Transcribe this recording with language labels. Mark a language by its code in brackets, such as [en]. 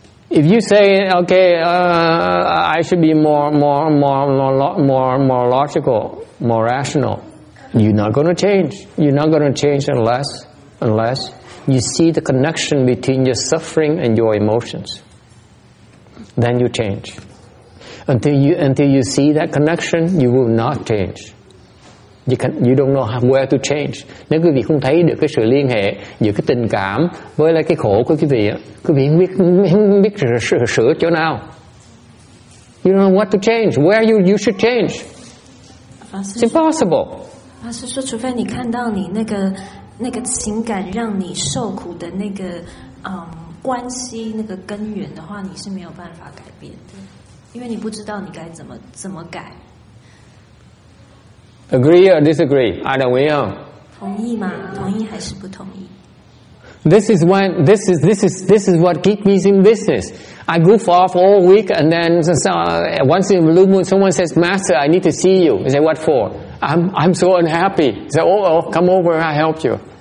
[en] If you say okay, I should be more logical, more rational, you're not going to change. You're not going to change unless you see the connection between your suffering and your emotions. then you change. Until you see that connection, you will not change. You don't know how, where to change. [vi] Nếu quý vị không thấy được cái sự liên hệ giữa cái tình cảm với lại cái khổ của quý vị không biết sửa chỗ nào. [en] You don't know what to change. Where you should change? It's impossible. [zh] 法师说，除非你看到你那个情感让你受苦的那个关系那个根源的话，你是没有办法改变的，因为你不知道你该怎么改。 [en] Agree or disagree? I don't know. [zh] 同意吗？同意还是不同意？ [en] This is what keeps me in business. I goof off all week, and then once in blue moon, someone says, "Master, I need to see you." I say, "What for?" I'm so unhappy. I say, "Oh, come over, I help you."